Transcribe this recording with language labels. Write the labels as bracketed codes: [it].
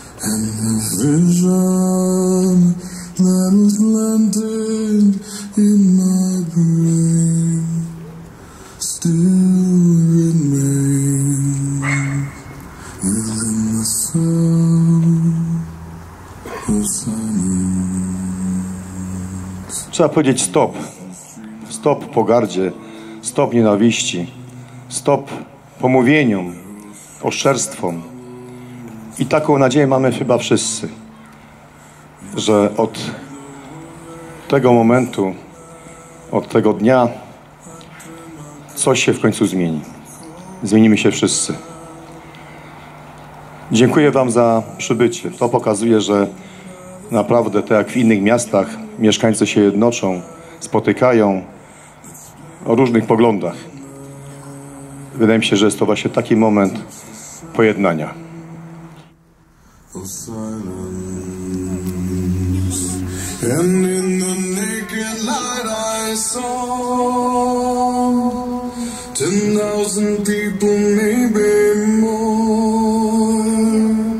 [en] And the vision that was planted in my brain still remains within the sound of silence. [pl] Trzeba powiedzieć stop. Stop pogardzie, stop nienawiści, stop pomówieniom, oszczerstwom. I taką nadzieję mamy chyba wszyscy, że od tego momentu, od tego dnia coś się w końcu zmieni. Zmienimy się wszyscy. Dziękuję wam za przybycie. To pokazuje, że naprawdę, tak jak w innych miastach, mieszkańcy się jednoczą, spotykają o różnych poglądach. Wydaje mi się, że jest to właśnie taki moment pojednania. [en] Of silence, and in the naked light I saw 10,000 people, maybe more.